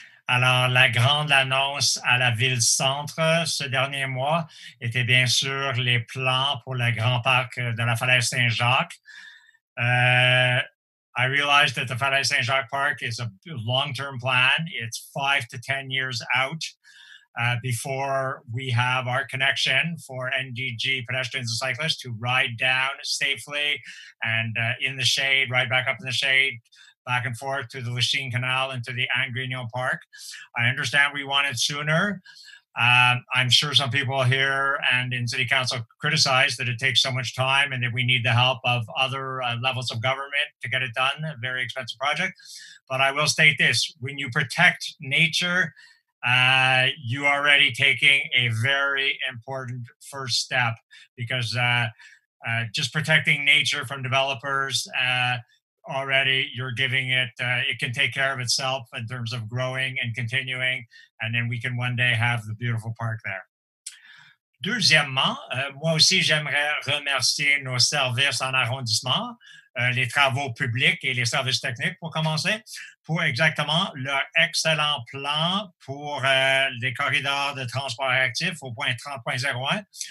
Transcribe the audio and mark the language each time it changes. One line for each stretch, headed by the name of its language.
French: Alors, la grande annonce à la Ville-Centre ce dernier mois était bien sûr les plans pour le grand parc de la Falaise Saint-Jacques.
English: I realized that the Falaise Saint-Jacques Park is a long-term plan. It's 5 to 10 years out before we have our connection for NDG pedestrians and cyclists to ride down safely and in the shade, ride back up in the shade, back and forth to the Lachine Canal and to the Angrignon Park. I understand we want it sooner. I'm sure some people here and in City Council criticize that it takes so much time and that we need the help of other levels of government to get it done, a very expensive project. But I will state this, when you protect nature, you are already taking a very important first step, because just protecting nature from developers, already you're giving it, it can take care of itself in terms of growing and continuing, and then we can one day have the beautiful park there.
French: Deuxièmement, moi aussi j'aimerais remercier nos services en arrondissement, les travaux publics et les services techniques pour commencer, pour exactement leur excellent plan pour les corridors de transport actif au point 30.01.